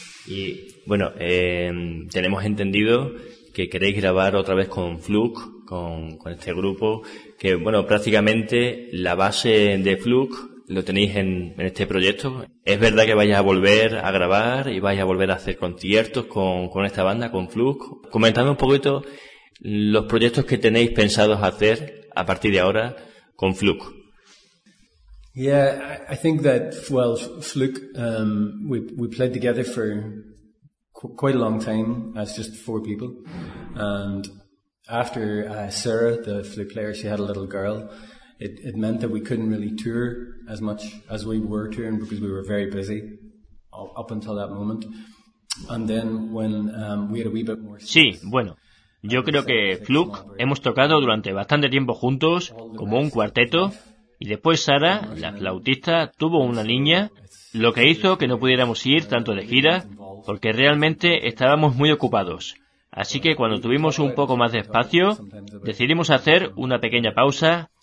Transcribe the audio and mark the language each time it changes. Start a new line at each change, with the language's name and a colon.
Spanish: Y bueno, tenemos entendido que queréis grabar otra vez con Fluke, con este grupo, que bueno, prácticamente la base de Fluke lo tenéis en este proyecto. ¿Es verdad que vais a volver a grabar y vais a volver a hacer conciertos con esta banda, con Fluke? Comentadme un poquito los proyectos que tenéis pensados hacer a partir de ahora con Fluke.
English: Yeah, I think that, well, Fluke, we played together for quite a long time as just four people. And after Sarah, the flute player, she had a little girl. It meant that we couldn't really tour as much as we were touring because we were very busy up until that moment. And then when we had a wee bit more space.
Spanish: Sí, bueno, yo creo que Fluke hemos tocado durante bastante tiempo juntos como un cuarteto, y después Sara, la flautista, tuvo una niña, lo que hizo que no pudiéramos ir tanto de gira porque realmente estábamos muy ocupados. Así que cuando tuvimos un poco más de espacio, decidimos hacer una pequeña pausa.